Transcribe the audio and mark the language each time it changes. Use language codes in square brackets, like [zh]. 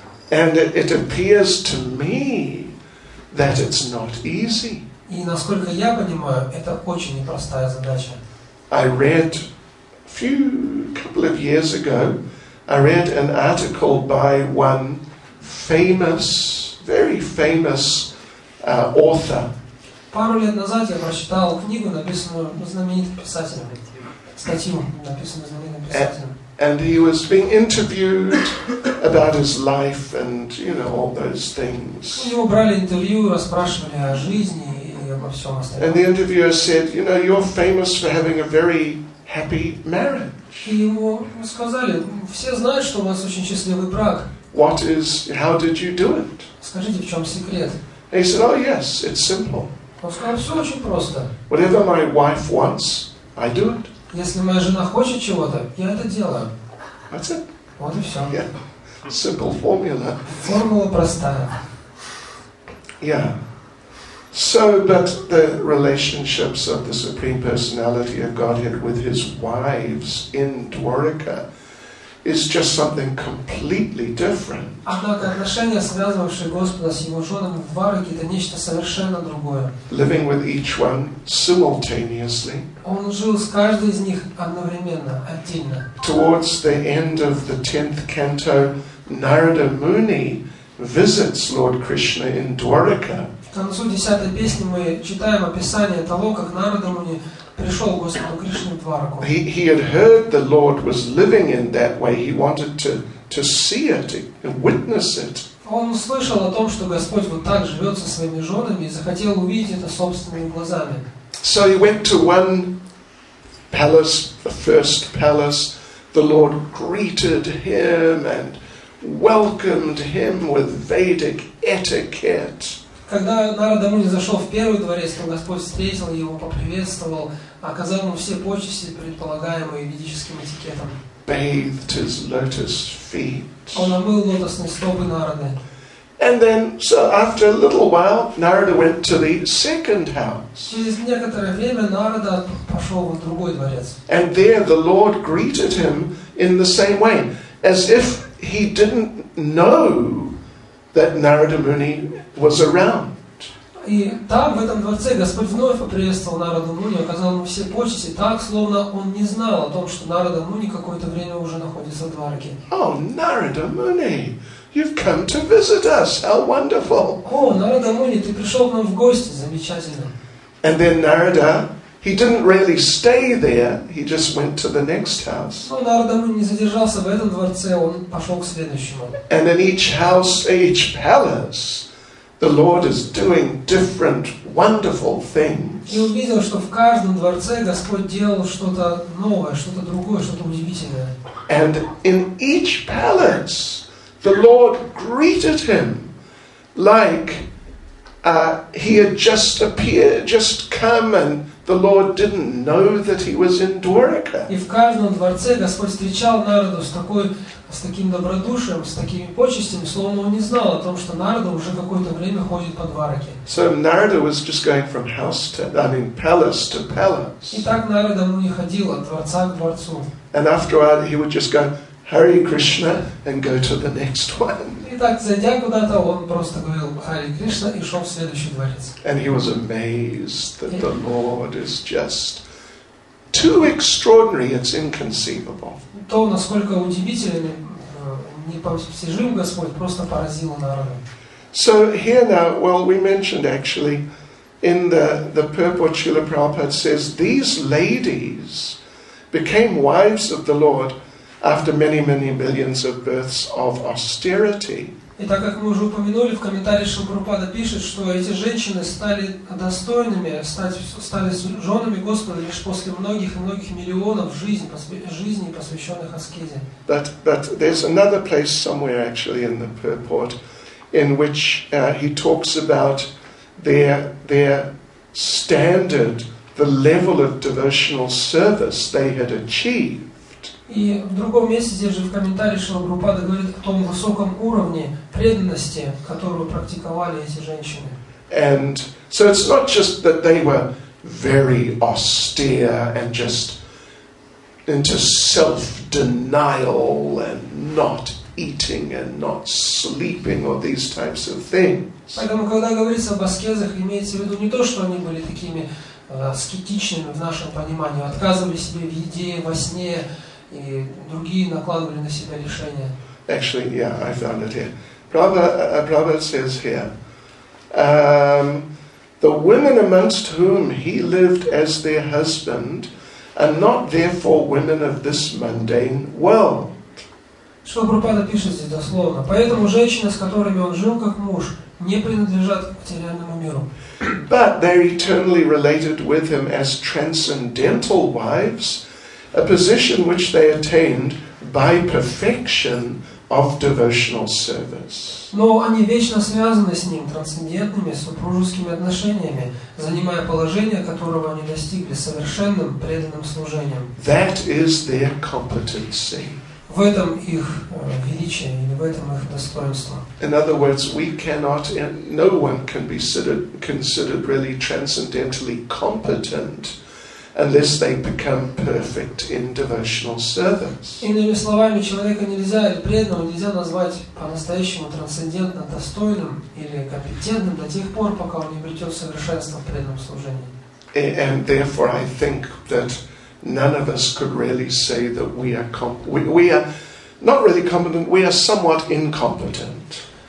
[en] And it appears to me that it's not easy. [ru] И насколько я понимаю, это очень непростая задача. [en] I read a couple of years ago, I read an article by one famous, very famous author. [ru] Пару лет назад я прочитал книгу, написанную знаменитым писателем. Статью, написанную знаменитым писателем. [en] And he was being interviewed about his life and, you know, all those things. [ru] У него брали интервью, расспрашивали о жизни и обо всем остальном. [en] And the interviewer said, you know, you're famous for having a very happy marriage. [ru] И ему сказали, все знают, что у вас очень счастливый брак. [en] What is, how did you do it? [ru] Скажите, в чем секрет? [en] He said, oh yes, it's simple. [ru] Он сказал, все очень просто. [en] Whatever my wife wants, I do it. [ru] Если моя жена хочет чего-то, я это делаю. [en] That's it. [ru] Вот и все. [en] Yeah. Simple formula. [ru] Формула простая. [en] Yeah. So, but the relationships of the Supreme Personality of Godhead with his wives in Dwarka is just something completely different. [ru] Однако отношения, связывавшие Господа с его женами в Двараке, это нечто совершенно другое. [en] Living with each one simultaneously. [ru] Он жил с каждой из них одновременно, отдельно. [en] Towards the end of the 10th canto, Narada Muni visits Lord Krishna in Dwarka. [ru] К концу 10-й песни мы читаем описание того, как Нарада Муни пришел к Господу Кришне в Двараку. [en] He had heard the Lord was living in that way. He wanted to to see it, to witness it. [ru] Он услышал о том, что Господь вот так живет со своими женами, и захотел увидеть это собственными глазами. [en] So he went to one palace, the first palace. The Lord greeted him and welcomed him with Vedic etiquette. [ru] Когда Нарада Муни зашел в первый дворец, то Господь встретил его, поприветствовал, оказал ему все почести, предполагаемые ведическим этикетом. [en] Bathed his lotus feet. [ru] Он омыл лотосные стопы Нарады. [en] And then, so after a little while, Narada went to the second house. [ru] Через некоторое время Нарада пошел в другой дворец. [en] And there the Lord greeted him in the same way, as if he didn't know that Narada Muni was around. [ru] И там, в этом дворце, Господь вновь поприветствовал Нараду Муни, оказал ему все почести, так, словно он не знал о том, что Нарада Муни какое-то время уже находится в Двараке. [en] Oh, Narada Muni! You've come to visit us. How wonderful! [ru] Oh, Narada Muni, ты пришел к нам в гости, замечательно. [en] And then Narada, he didn't really stay there. He just went to the next house. [ru] Ну, Нарада Муни не задержался в этом дворце, он пошел к следующему. [en] And in each house, each palace, the Lord is doing different, wonderful things. [ru] И увидел, что в каждом дворце Господь делал что-то новое, что-то другое, что-то удивительное. [en] And in each palace, the Lord greeted him like he had just appeared, just come, and the Lord didn't know that he was in Dwarka. [ru] И в каждом дворце Господь встречал Нараду с таким добродушием, с такими почестями, словно он не знал о том, что Нарада уже какое-то время ходит по Двараке. [en] So Narada was just going from house to, I mean, palace to palace. [ru] И так Нарада не ходил от дворца к дворцу. [en] And after a while, he would just go, Hare Krishna, and go to the next one. [ru] Итак, зайдя куда-то, он просто говорил Харе Кришна и шел в следующий дворец. [en] And he was amazed that the Lord is just too extraordinary, it's inconceivable. [ru] То, насколько удивительный, непостижим Господь, просто поразил народ. [en] So here now, well, we mentioned actually in the purport, Srila Prabhupada says these ladies became wives of the Lord after many, many millions of births of austerity. [ru] И так как мы уже упомянули, в комментарии Шрила Прабхупада пишет, что эти женщины стали достойными, стали женами Господа лишь после многих и многих миллионов жизней, посвященных аскезе. [en] But there's another place somewhere actually in the purport in which he talks about their standard, the level of devotional service they had achieved. [ru] И в другом месте здесь же в комментарии Шрила Прабхупада говорит о том высоком уровне преданности, которую практиковали эти женщины. [en] And so it's not just that they were very austere and just into self-denial and not eating and not sleeping or these types of things. [ru] Поэтому, когда говорится об аскезах, имеется в виду не то, что они были такими аскетичными в нашем понимании, отказывали себе в еде, во сне, и другие накладывали на себя лишения. [en] Actually, yeah, I found it here. Prabhupada says here, the women amongst whom he lived as their husband are not therefore women of this mundane world. [ru] Что Прабхупада пишет здесь дословно? Поэтому женщины, с которыми он жил как муж, не принадлежат к материальному миру. [en] But they're eternally related with him as transcendental wives, a position which they attained by perfection of devotional service. [ru] Но они вечно связаны с ним трансцендентными супружескими отношениями, занимая положение, которого они достигли совершенным преданным служением. [en] That is their competency. [ru] В этом их величие или в этом их достоинство. [en] In other words, we cannot, no one can be considered really transcendentally competent unless they become perfect in devotional service. [ru] Иными словами, человека нельзя или преданного нельзя назвать по-настоящему трансцендентно достойным или компетентным до тех пор, пока он не обретет совершенство в преданном служении. [en] And therefore, I think that none of us could really say that we are not really competent. We are somewhat incompetent.